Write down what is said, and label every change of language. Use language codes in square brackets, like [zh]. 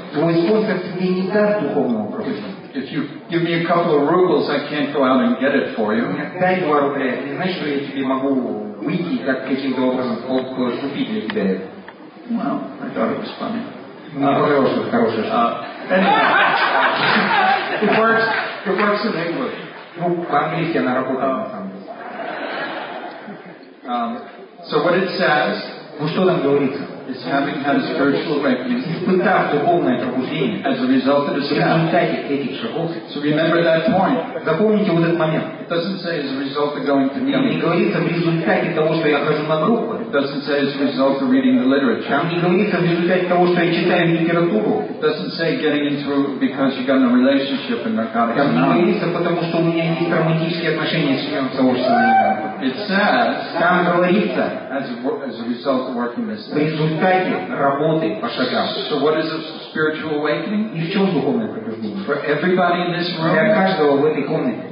[ru] Твой спонсор тебе не даст духовного пробуждения. [en] If you give me a couple of rubles, I can't go out and get it for you. Well, I thought it was funny. Anyway, it works in English. [ru] Ну, по-английски она работала на самом деле. [en] So what it says, [ru] ну что там говорится? [en] Is having had a spiritual awakening, [ru] испытав духовное пробуждение, [en] as a result of the steps. So remember that point. [ru] Запомните вот этот момент. [en] It doesn't say as a result of going to meetings. [ru] Там не говорится в результате того, что я хожу на группу. [en] It doesn't say as a result of reading the literature. [ru] Там не говорится в результате того, что я читаю литературу. [en] It doesn't say getting into because you got a relationship in narcotics. [ru] Там не говорится потому, что у меня есть травматические отношения с членом сообщества. [en] It says, [ru] там говорится, [en] as a result of working this [ru] thing. В результате работы по шагам. [en] So what is a spiritual awakening? [ru] И в чем духовное пробуждение? [en] For everybody in this room, [ru] для каждого в этой комнате.